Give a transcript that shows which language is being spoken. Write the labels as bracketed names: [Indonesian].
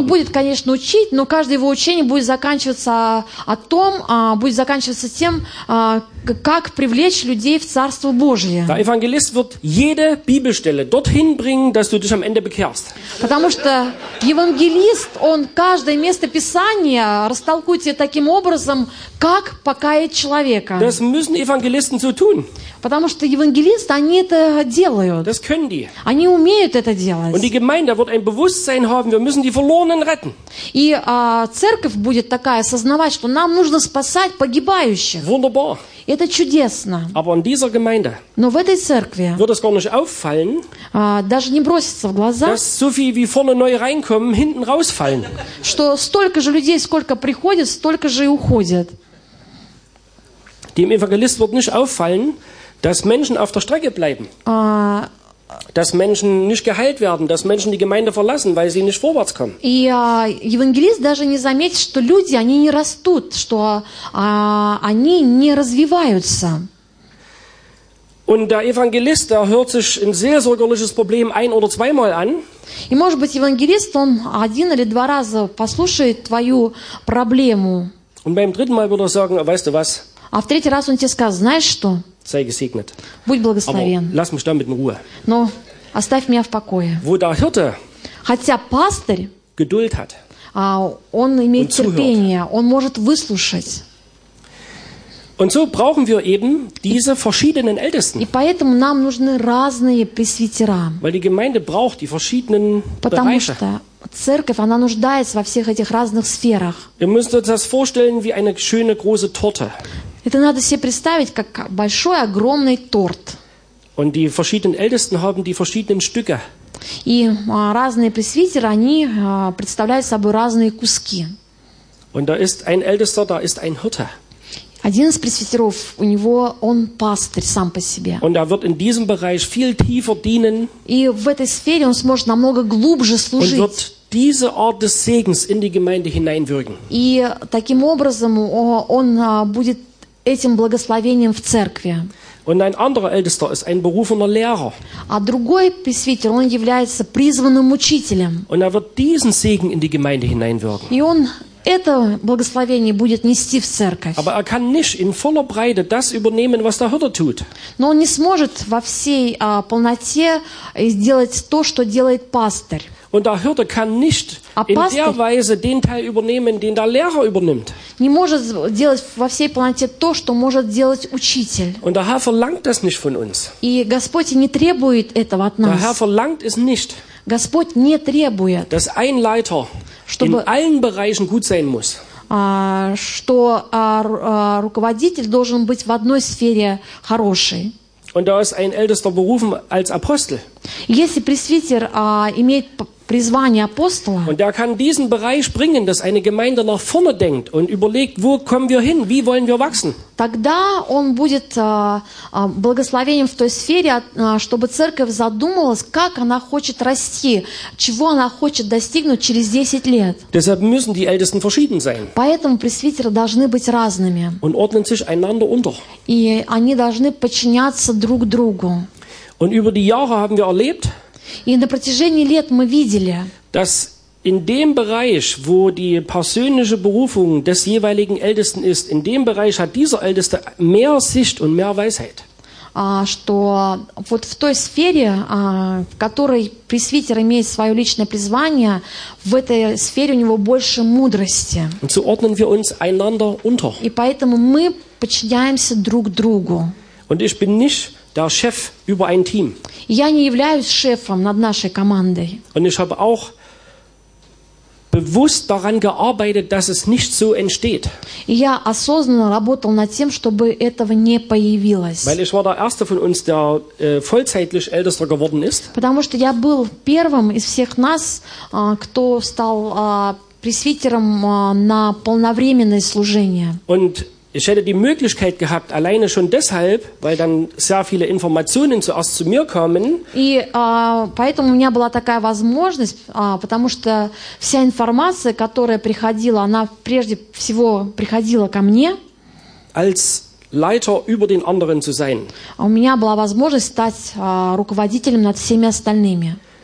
[Russian] Он будет, конечно, учить, но каждое его учение будет заканчиваться о том, будет заканчиваться тем, как привлечь людей в Царство Божие. [German] Der Evangelist wird jede Bibelstelle dorthin bringen, dass du dich am Ende bekehrst. [Russian] Потому что евангелист, он каждое место Писания растолкует тебе таким образом, как покаять человека. [German] Das müssen Evangelisten so tun. [Russian] Потому что евангелисты, они это делают. [German] Das können die. [Russian] Они умеют это делать. [German] Und die Gemeinde wird ein Bewusstsein haben, wir müssen die Verlorenen retten. [Russian] И церковь будет такая, осознавать, что нам нужно спасать погибающих. [German] Wunderbar. [Russian] Это чудесно. [German] Aber in dieser Gemeinde, [Russian] но в этой церкви, [German] wird es gar nicht auffallen, [Russian] даже не бросится в глаза, [German] dass so viel wie vorne neu reinkommen, hinten rausfallen. [Russian] Что столько же людей, сколько приходит, столько же и уходит. [German] Dem Evangelist wird nicht auffallen, dass Menschen auf der Strecke bleiben. Dass Menschen nicht geheilt werden, dass Menschen die Gemeinde verlassen, weil sie nicht vorwärts kommen. [Russian] И евангелист даже не заметит, что люди, они не растут, что они не развиваются. [German] Und der Evangelist, der hört sich ein seelsorgerliches Problem ein oder zweimal an. [Russian] И может быть евангелист, он один или два раза послушает твою проблему. [German] Und beim dritten Mal wird er sagen, weißt du was? [Russian] А в третий раз он тебе скажет, знаешь что? [German] Sei gesegnet. [Russian] Будь благословен. [German] Aber lass mich damit in Ruhe. [Russian] Но оставь меня в покое. [German] Wo der Hirte, [Russian] хотя пастырь, [German] Geduld hat, [Russian] он имеет терпение, он может выслушать. [German] Und so brauchen wir eben diese verschiedenen Ältesten. [Russian] И поэтому нам нужны разные пресвитера. [German] Weil die Gemeinde braucht die verschiedenen [Russian] Потому [German] Bereiche. [Russian] Что церковь, она нуждается во всех этих разных сферах. [German] Ihr müsst euch das vorstellen wie eine schöne große Torte. [Russian] Это надо себе представить, как большой, огромный торт. [German] Und die verschiedenen Ältesten haben die verschiedenen Stücke. [Russian] И разные пресвитеры, они представляют собой разные куски. [German] Und da ist ein Ältester, da ist ein Hirte. [Russian] Один из пресвитеров, у него он пастырь сам по себе. [German] Und er wird in diesem Bereich viel tiefer dienen. [Russian] И в этой сфере он сможет намного глубже служить. [German] Und wird diese Art des Segens in die Gemeinde hineinwirken. [Russian] И таким образом он будет этим благословением в церкви. [German] Und ein anderer Ältester ist ein berufener Lehrer. [Russian] А другой пресвитер, он является призванным учителем. [German] Und er wird diesen Segen in die Gemeinde hineinwirken. [Russian] И он это благословение будет нести в церковь. [German] Aber er kann nicht in voller Breite das übernehmen, was der Hirte tut. [Russian] Но он не сможет во всей полноте сделать то, что делает пастырь. [German] Und der Hirte kann nicht in der Weise den Teil übernehmen, den der Lehrer übernimmt. [Russian] Не может делать во всей полноте то, что может делать учитель. [German] Und der Herr verlangt das nicht von uns. [Russian] И Господь не требует этого от нас. [German] Der Herr verlangt es nicht. [Russian] Господь не требует. [German] Dass ein Leiter in allen Bereichen gut sein muss. [Russian] Что руководитель должен быть в одной сфере хороший. [German] Und da ist ein Ältester berufen als Apostel. [Russian] Если пресвитер имеет призвание апостола. [German] Und er kann diesen Bereich bringen, dass eine Gemeinde nach vorne denkt und überlegt, wo kommen wir hin, wie wollen wir wachsen? [Russian] Тогда он будет благословением в той сфере, чтобы церковь задумалась, как она хочет расти, чего она хочет достигнуть через 10 лет. [German] Deshalb müssen die Ältesten verschieden sein. [Russian] Поэтому пресвитеры должны быть разными. [German] Und ordnen sich einander unter. [Russian] И они должны подчиняться друг другу. [German] Und über die Jahre haben wir erlebt, [Russian] и на протяжении лет мы видели, [German] dass in dem Bereich, wo die persönliche Berufung des jeweiligen Ältesten ist, in dem Bereich hat dieser Älteste mehr Sicht und mehr Weisheit. [Russian] Что вот в той сфере, в которой пресвитер имеет свое личное призвание, в этой сфере у него больше мудрости. [German] Und so ordnen wir uns einander unter. [Russian] И поэтому мы подчиняемся друг другу. [German] Und ich bin nicht der Chef über ein Team. [Russian] Я не являюсь шефом над нашей командой. [German] Und ich habe auch bewusst daran gearbeitet, dass es nicht so entsteht. [Russian] Я осознанно работал над тем, чтобы этого не появилось. [German] Weil ich war der erste von uns, der vollzeitlich Ältester geworden ist. [Russian] Потому что я был первым из всех нас, кто стал пресвитером на полновременное служение. [German] Und ich hätte die Möglichkeit gehabt, alleine schon deshalb, weil dann sehr viele Informationen zuerst zu mir kommen. [Russian] И поэтому у меня была такая возможность, потому что вся информация, которая приходила, она прежде всего приходила ко мне. [German] Als Leiter über den anderen zu sein. [Russian] У меня была возможность стать руководителем над всеми остальными.